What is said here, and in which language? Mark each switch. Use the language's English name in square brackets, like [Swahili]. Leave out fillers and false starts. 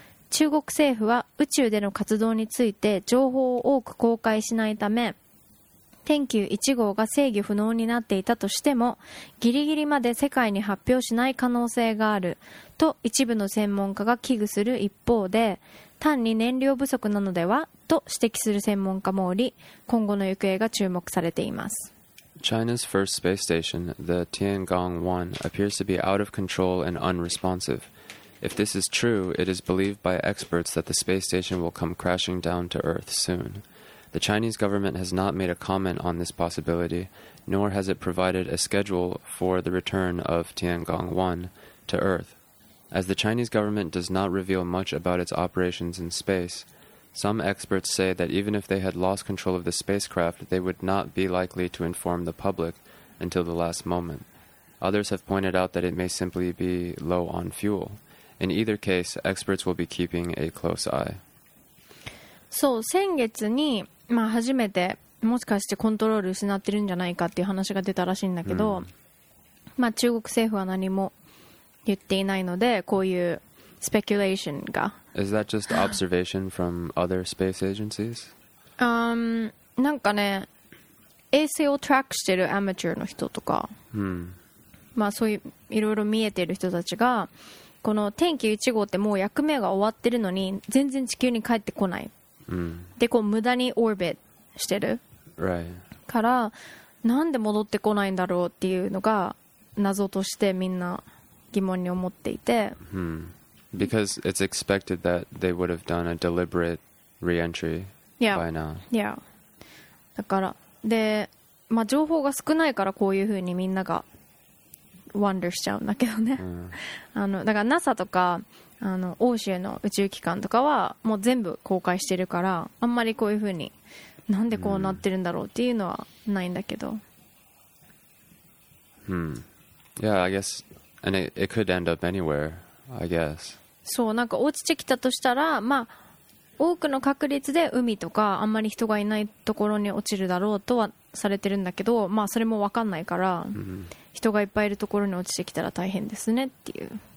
[Japanese] 中国政府は宇宙での活動について情報を多く公開しないため、天宮1号が制御不能になっていたとしてもギリギリまで世界に発表しない可能性があると一部の専門家が危惧する一方で、単に燃料不足なのではと指摘する専門家もおり、今後の行方が注目されています。 [English] China's first space station, the Tiangong-1, appears to be out of control and unresponsive. If this is true, it is believed by experts that the space station will come crashing down to Earth soon. The Chinese government has not made a comment on this possibility, nor has it provided a schedule for the return of Tiangong-1 to Earth. As the Chinese government does not reveal much about its operations in space, some experts say that even if they had lost control of the spacecraft, they would not be likely to inform the public until the last moment. Others have pointed out that it may simply be low on fuel. In either case, experts will be keeping a close eye. [Japanese] そう、先月に、まあ、初めてもしかしてコントロール失ってるんじゃないかっていう話が出たらしいんだけど、まあ、中国政府は何も言っていないので、こういうスペキュレーションが。 [English] Is that just observation from other space agencies? [Japanese] なんかね、衛星をトラックしてるアマチュアの人とか、まあ、そういういろいろ見えてる人たちが、この天宮1号ってもう役目が終わってるのに全然地球に帰ってこない、でこう無駄にオービットしてる、 [English] right. [Japanese] からなんで戻ってこないんだろうっていうのが謎としてみんな疑問に思っていて、 [English] Because it's expected that they would have done a deliberate re-entry by now. Yeah. [Japanese] だから、で、まあ、情報が少ないからこういうふうにみんなが wonder しちゃうんだけどね、だから NASA とか欧州の宇宙機関とかはもう全部公開してるから、あんまりこういうふうになんでこうなってるんだろうっていうのはないんだけど、 [English] Yeah, I guess and it could end up anywhere, I guess. [Japanese] そう、なんか落ちてきたとしたら、まあ多くの確率で海とかあんまり人がいないところに落ちるだろうとはされてるんだけど、まあそれも分かんないから、人がいっぱいいるところに落ちてきたら大変ですねっていう。